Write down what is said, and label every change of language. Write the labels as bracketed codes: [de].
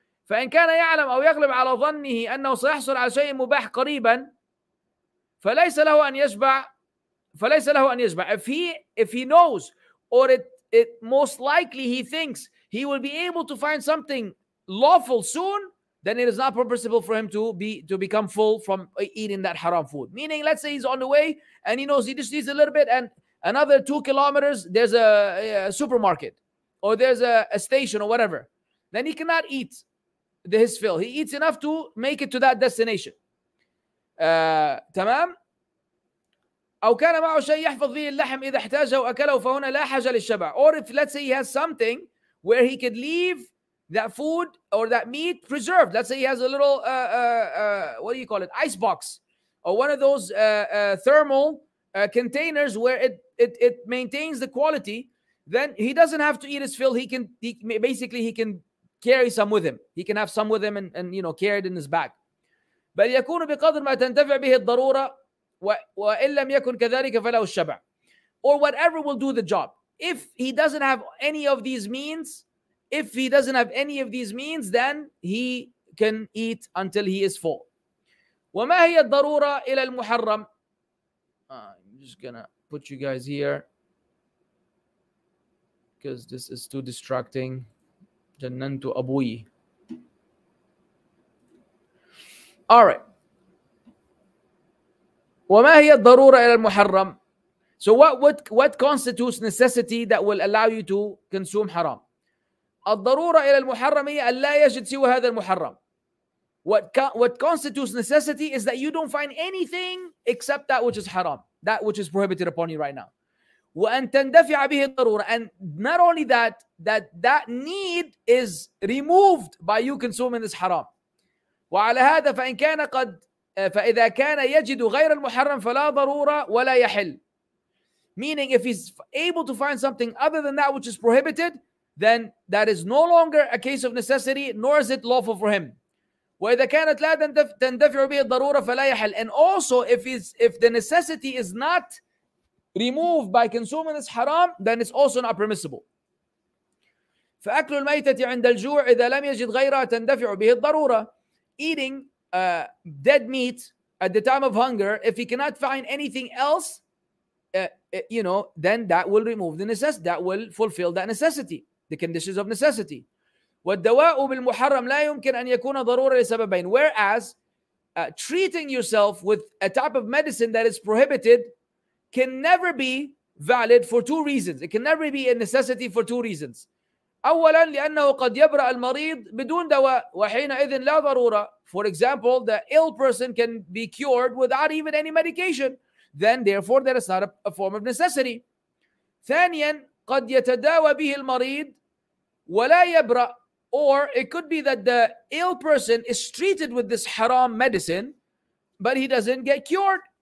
[ar] فَإِنْ كَانَ يَعْلَمْ أَوْ يَغْلِبْ عَلَى ظَنِّهِ أَنَّهُ سَيَحْصُلْ عَلَى شَيْءٍ مُبَحْ قَرِيبًا فَلَيْسَ لَهُ أَنْ يَشْبَعْ [en] If he knows, or it most likely he thinks, he will be able to find something lawful soon, then it is not permissible for him to become full from eating that haram food. Meaning, let's say he's on the way, and he knows he just needs a little bit, and another 2 kilometers, there's a supermarket, or there's a station, or whatever. Then he cannot eat his fill. He eats enough to make it to that destination. Tamam? [ar] أو كان معه شيء يحفظ فيه اللحم إذا احتاجه وأكله فهنا لا حاجة للشبع. [en] Or if let's say he has something where he could leave that food or that meat preserved. Let's say he has a little what do you call it? Ice box or one of those thermal containers where it maintains the quality. Then he doesn't have to eat his fill. He can carry some with him. He can have some with him and you know carry it in his bag. [ar] بل يكون بقدر ما تنتفع به الضرورة وإن لم يكن كذلك فله الشبع [en] or whatever will do the job. If he doesn't have any of these means, then he can eat until he is full. [ar] وما هي الضرورة إلى المحرم? [en] I'm just gonna put you guys here because this is too distracting. [ar] جننت أبوي. [en] All right. [ar] وما هي الضرورة إلى المحرم? [en] So what constitutes necessity that will allow you to consume haram? [ar] الضرورة إلى المحرم هي أن لا يجد سوى هذا المحرم. [en] What constitutes necessity is that you don't find anything except that which is haram, that which is prohibited upon you right now. [ar] وأن تندفع به الضرورة. [en] And not only that need is removed by you consuming this haram. [ar] وعلى هذا فإن كان قد فإذا كان يجد غير المحرم فلا ضرورة ولا يحل. [en] Meaning if he's able to find something other than that which is prohibited, then that is no longer a case of necessity, nor is it lawful for him. [ar] وإذا كانت لا تندفع به الضرورة فلا يحل. [en] And also if the necessity is not removed by consuming this haram, then it's also not permissible. [ar] فأكل الميتة عند الجوع إذا لم يجد غيرها تندفع به الضرورة. [en] Eating dead meat at the time of hunger, if he cannot find anything else, then that will remove the necessity, that will fulfill that necessity, the conditions of necessity. [ar] والدواء بالمحرم لا يمكن أن يكون ضرورة لسببين. [en] Whereas treating yourself with a type of medicine that is prohibited can never be valid for two reasons. It can never be a necessity for two reasons. [ar] أولا لأنه قد يبرأ المريض بدون دواء وحينئذ لا ضرورة. [en] For example, the ill person can be cured without even any medication. Then therefore there is not a form of necessity. [ar] ثانيا قد يتداوى به المريض ولا يبرأ. [en] Or it could be that the ill person is treated with this haram medicine but he doesn't get cured.